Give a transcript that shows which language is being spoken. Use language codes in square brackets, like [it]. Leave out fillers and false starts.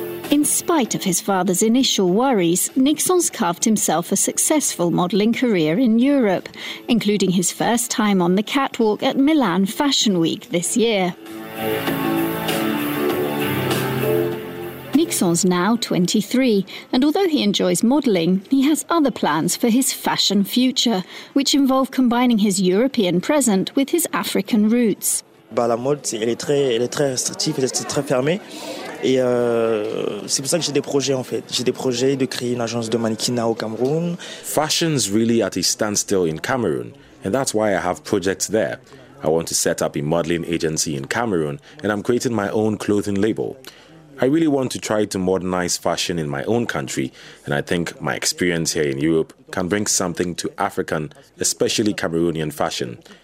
[en] In spite of his father's initial worries, Nixon's carved himself a successful modeling career in Europe, including his first time on the catwalk at Milan Fashion Week this year. Nixon's now 23, and although he enjoys modelling, he has other plans for his fashion future, which involve combining his European present with his African roots. [fr] Bah, la mode, elle est très restrictive, elle est très fermée, et c'est pour ça que j'ai des projets en fait. J'ai des projets de créer une agence de mannequinat au Cameroun. [en] Fashion's really at a standstill in Cameroon, and that's why I have projects there. I want to set up a modelling agency in Cameroon, and I'm creating my own clothing label. I really want to try to modernize fashion in my own country, and I think my experience here in Europe can bring something to African, especially Cameroonian fashion.